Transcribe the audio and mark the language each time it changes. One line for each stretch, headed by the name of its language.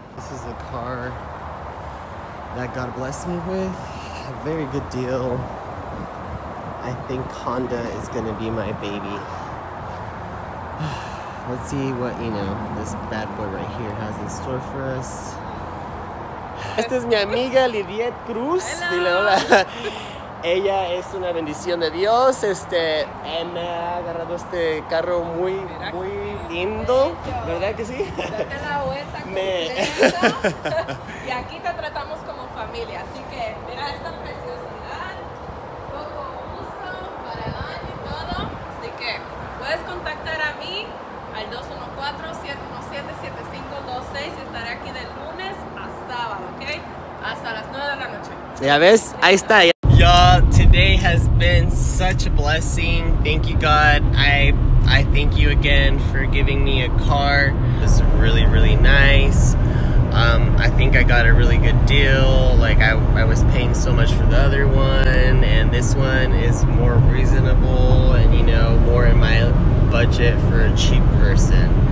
English: This is the car that God blessed me with. A very good deal. I think Honda is gonna be my baby. Let's see what, you know, this bad boy right here has in store for us.
Spanish: Esta es mi amiga Liviette Cruz.
English: Hello.
Spanish: Dile hola. Ella es una bendición de Dios. Me ha agarrado este carro muy, muy lindo. ¿Verdad que sí? Date la vuelta completa. Y aquí te tratamos como familia. Así que, mira esta preciosidad. Poco uso para el año y todo. Así que, puedes contactar a mí al 214-717-7526 y estaré aquí de lunes a sábado, ¿ok? Hasta las 9 de la noche. ¿Ya ves? Ahí está.
English: Today has been such a blessing. Thank you, God. I thank you again for giving me a car. It's really, really nice. I think I got a really good deal. Like, I was paying so much for the other one, and this one is more reasonable and, you know, more in my budget for a cheap person.